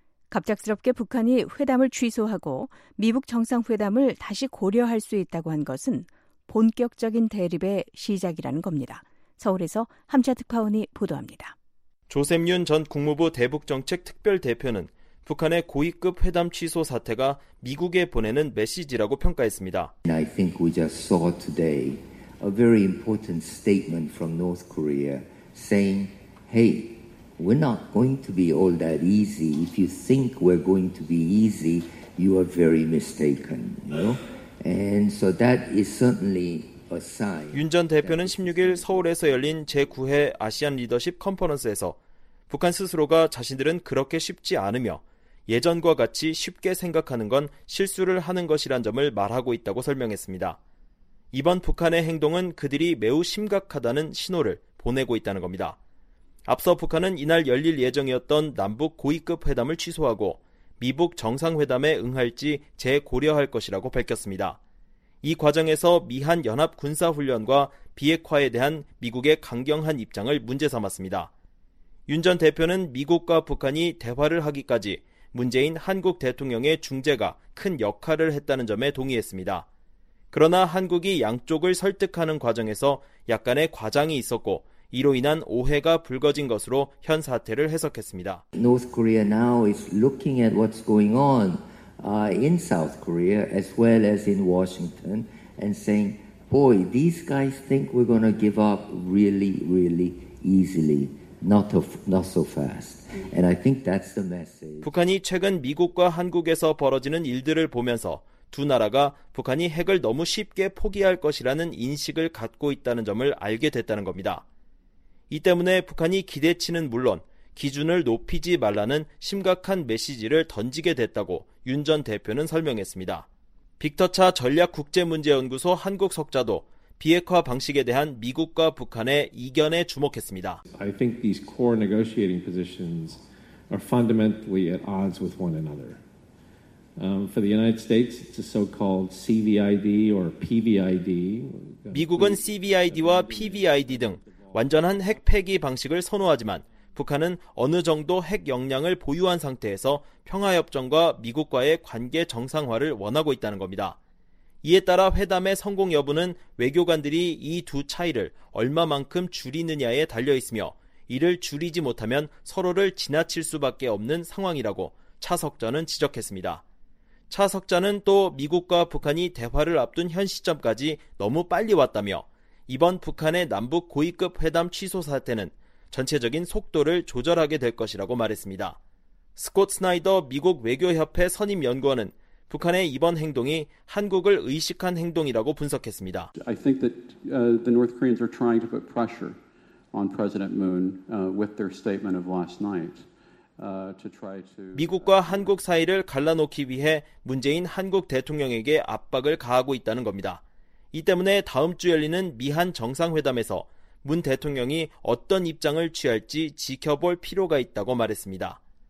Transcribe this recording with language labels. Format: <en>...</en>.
<ko>갑작스럽게 북한이 회담을 취소하고 미북 정상회담을 다시 고려할 수 있다고 한 것은 본격적인 대립의 시작이라는 겁니다. 서울에서 함차 특파원이 보도합니다. 조셉윤 전 국무부 대북정책특별대표는 북한의 고위급 회담 취소 사태가 미국에 보내는 메시지라고 평가했습니다.</ko> <en>I think we just saw today a very important statement from North Korea saying, hey, we're not going to be all that easy. If you think we're going to be easy, you are very mistaken. You know? And so that is certainly a sign.</en> <ko>윤 전 대표는 16일 서울에서 열린 제9회 아시안 리더십 컨퍼런스에서 북한 스스로가 자신들은 그렇게 쉽지 않으며 예전과 같이 쉽게 생각하는 건 실수를 하는 것이란 점을 말하고 있다고 설명했습니다. 이번 북한의 행동은 그들이 매우 심각하다는 신호를 보내고 있다는 겁니다. 앞서 북한은 이날 열릴 예정이었던 남북 고위급 회담을 취소하고 미북 정상회담에 응할지 재고려할 것이라고 밝혔습니다. 이 과정에서 미한 연합 군사훈련과 비핵화에 대한 미국의 강경한 입장을 문제 삼았습니다. 윤 전 대표는 미국과 북한이 대화를 하기까지 문재인 한국 대통령의 중재가 큰 역할을 했다는 점에 동의했습니다. 그러나 한국이 양쪽을 설득하는 과정에서 약간의 과장이 있었고 이로 인한 오해가 불거진 것으로 현 사태를 해석했습니다.</ko> <en>North Korea now is looking at what's going on in South Korea as well as in Washington and saying, "Boy, these guys think we're going to give up really, really easily. Not so fast." And I think that's the message.</en> <ko>북한이 최근 미국과 한국에서 벌어지는 일들을 보면서 두 나라가 북한이 핵을 너무 쉽게 포기할 것이라는 인식을 갖고 있다는 점을 알게 됐다는 겁니다. 이 때문에 북한이 기대치는 물론 기준을 높이지 말라는 심각한 메시지를 던지게 됐다고 윤 전 대표는 설명했습니다. 빅터 차 전략국제문제연구소 한국 석좌도 비핵화 방식에 대한 미국과 북한의 이견에 주목했습니다.</ko> <en>I think these core negotiating positions are fundamentally at odds with one another. For the United States, it's a so-called CVID or PVID.</en> <ko>미국은 CVID와 PVID 등 완전한 핵 폐기 방식을 선호하지만 북한은 어느 정도 핵 역량을 보유한 상태에서 평화협정과 미국과의 관계 정상화를 원하고 있다는 겁니다. 이에 따라 회담의 성공 여부는 외교관들이 이 두 차이를 얼마만큼 줄이느냐에 달려 있으며 이를 줄이지 못하면 서로를 지나칠 수밖에 없는 상황이라고 차석자는 지적했습니다. 차석자는 또 미국과 북한이 대화를 앞둔 현 시점까지 너무 빨리 왔다며 이번 북한의 남북 고위급 회담 취소 사태는 전체적인 속도를 조절하게 될 것이라고 말했습니다. 스콧 스나이더 미국 외교협회 선임연구원은 북한의 이번 행동이 한국을 의식한 행동이라고 분석했습니다.</ko> <en>I think that the North Koreans are trying to put pressure on President Moon with their statement of last night.</en> <ko>미국과 한국 사이를 갈라놓기 위해 문재인 한국 대통령에게 압박을 가하고 있다는 겁니다. 이 때문에 다음 주 열리는 미한 정상회담에서 문 대통령이 어떤 입장을 취할지 지켜볼 필요가 있다고 말했습니다.</ko>